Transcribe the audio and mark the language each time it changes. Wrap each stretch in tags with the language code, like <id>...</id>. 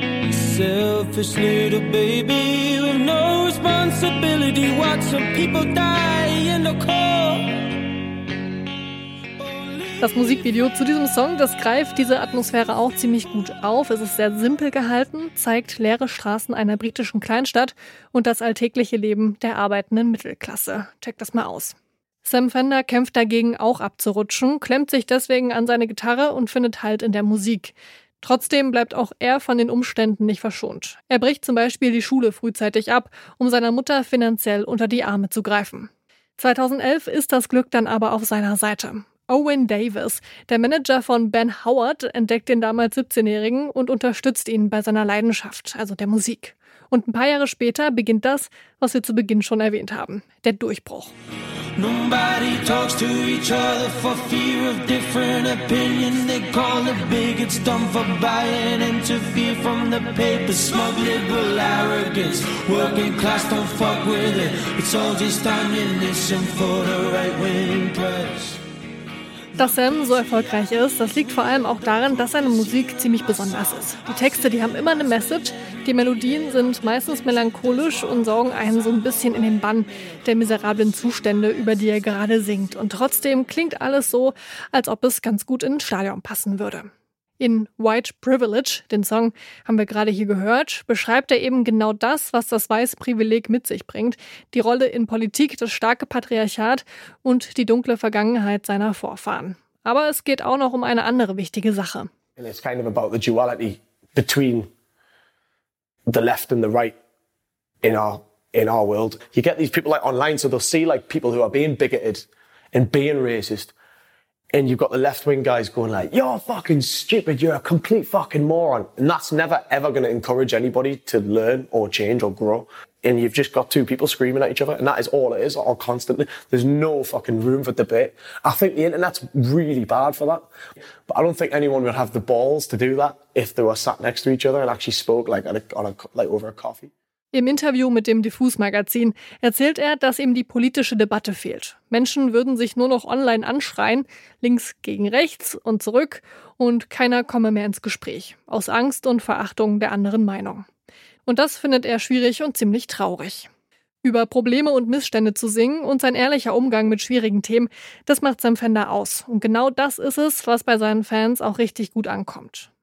<en>Selfish little baby with no responsibility. Watch some people die in the cold.</en> <de>Das Musikvideo zu diesem Song, das greift diese Atmosphäre auch ziemlich gut auf. Es ist sehr simpel gehalten, zeigt leere Straßen einer britischen Kleinstadt und das alltägliche Leben der arbeitenden Mittelklasse. Check das mal aus. Sam Fender kämpft dagegen auch abzurutschen, klemmt sich deswegen an seine Gitarre und findet Halt in der Musik. Trotzdem bleibt auch er von den Umständen nicht verschont. Er bricht zum Beispiel die Schule frühzeitig ab, um seiner Mutter finanziell unter die Arme zu greifen. 2011 ist das Glück dann aber auf seiner Seite. Owen Davis, der Manager von Ben Howard, entdeckt den damals 17-Jährigen und unterstützt ihn bei seiner Leidenschaft, also der Musik. Und ein paar Jahre später beginnt das, was wir zu Beginn schon erwähnt haben, der Durchbruch.</de> <en>Nobody talks to each other for fear of different opinions. They call it bigots, dumb for buying into fear from the paper. Smug liberal arrogance, working class don't fuck with it. It's all just ammunition for the right wing press.</en> <de>Dass Sam so erfolgreich ist, das liegt vor allem auch daran, dass seine Musik ziemlich besonders ist. Die Texte, die haben immer eine Message, die Melodien sind meistens melancholisch und saugen einen so ein bisschen in den Bann der miserablen Zustände, über die er gerade singt. Und trotzdem klingt alles so, als ob es ganz gut in ein Stadion passen würde. In White Privilege, den Song haben wir gerade hier gehört, beschreibt er eben genau das, was das weiße Privileg mit sich bringt. Die Rolle in Politik, das starke Patriarchat und die dunkle Vergangenheit seiner Vorfahren. Aber es geht auch noch um eine andere wichtige Sache.</de> <en>And it's kind of about the duality between the left and the right in our world. You get these people like online, so they'll see like people who are being bigoted and being racist. And you've got the left-wing guys going like, you're fucking stupid, you're a complete fucking moron. And that's never, ever going to encourage anybody to learn or change or grow. And you've just got two people screaming at each other, and that is all it is, all constantly. There's no fucking room for debate. I think the internet's really bad for that. But I don't think anyone would have the balls to do that if they were sat next to each other and actually spoke like over a coffee.</en> <de>Im Interview mit dem Diffus-Magazin erzählt er, dass ihm die politische Debatte fehlt. Menschen würden sich nur noch online anschreien, links gegen rechts und zurück, und keiner komme mehr ins Gespräch, aus Angst und Verachtung der anderen Meinung. Und das findet er schwierig und ziemlich traurig. Über Probleme und Missstände zu singen und sein ehrlicher Umgang mit schwierigen Themen, das macht Sam Fender aus. Und genau das ist es, was bei seinen Fans auch richtig gut ankommt.</de>